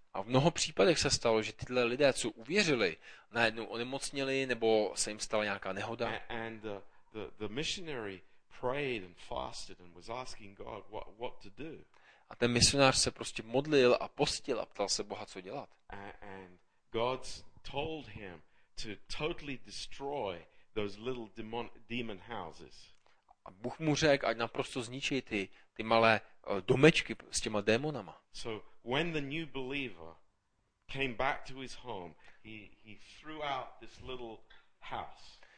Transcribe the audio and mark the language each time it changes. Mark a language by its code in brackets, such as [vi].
[cs] A v mnoho případech se stalo, že tyhle lidé, co uvěřili, najednou onemocněli nebo se jim stala nějaká nehoda. [en] And the missionary prayed and fasted and was asking God what to do. [cs] A ten misionář se prostě modlil a postil a ptal se Boha, co dělat. [en] And God told him to totally destroy those little demon houses. [cs] A Bůh mu řekl, ať naprosto zničí ty malé domečky s těma démonama. [en] So when the new believer came back to his home, he threw out this little house.